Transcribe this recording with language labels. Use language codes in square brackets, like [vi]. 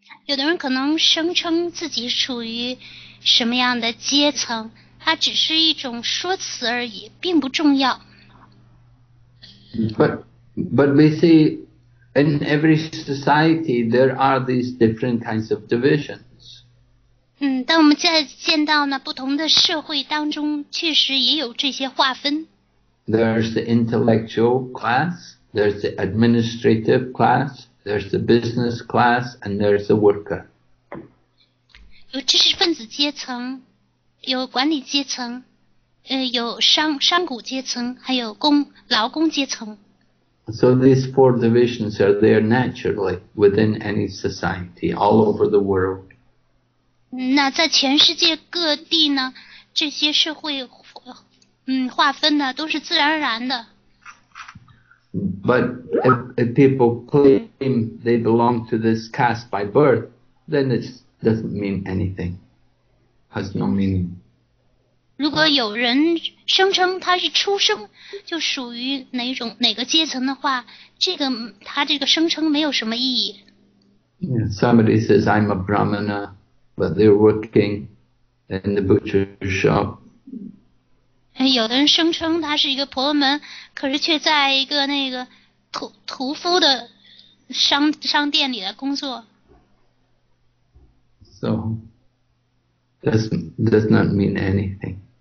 [zh] 有的人可能声称自己处于什么样的阶层，它只是一种说辞而已，并不重要。 [en] But we see in every society there are these different kinds of divisions. [zh] 但我们在见到呢不同的社会当中确实也有这些划分。 [en] There's the intellectual class, there's the administrative class, there's the business class, and there's the worker. [zh] 有知识分子阶层，有管理阶层，有商贾阶层，还有劳工阶层。 [en] So these four divisions are there naturally within any society all over the world. [zh] 那在全世界各地呢，这些社会划分呢都是自然而然的。 [en] But if people claim they belong to this caste by birth, then it doesn't mean anything. Has no meaning. [zh] 如果有人声称他是出生就属于哪种哪个阶层的话，这个他这个声称没有什么意义。 [en] Somebody says, I'm a Brahmana, but they're working in the butcher shop. [zh] 有的人声称他是一个婆罗门，可是却在一个那个屠夫的商店里的工作。 [en] So, does not mean anything.